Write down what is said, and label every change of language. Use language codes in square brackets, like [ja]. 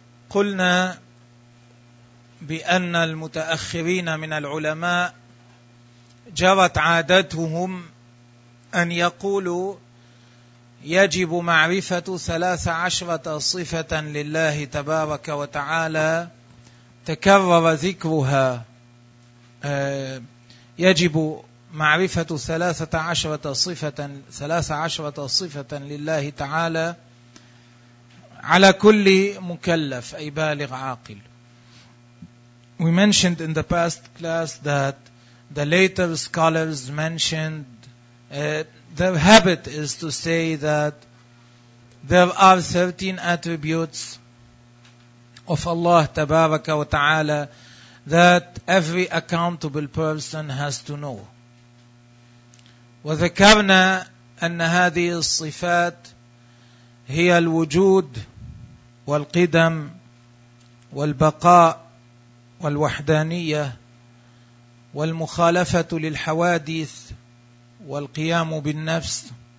[ar] قلنا بأن المتأخرين من العلماء جرت عادتهم أن يقولوا يجب معرفة 13 صفة لله تبارك وتعالى تكرر ذكرها، يجب معرفة 13 صفة، 13 صفة لله تعالى على كل مكلف أي بالغ عاقل. [en] We mentioned in the past class that the later scholars mentioned their habit is to say that there are 13 attributes of Allah [ar] تبارك وتعالى [en] that every accountable person has to know. [ar] وذكرنا أن هذه الصفات هي الوجود والقدم والبقاء والوحدانية والمخالفة للحوادث والقيام بالنفس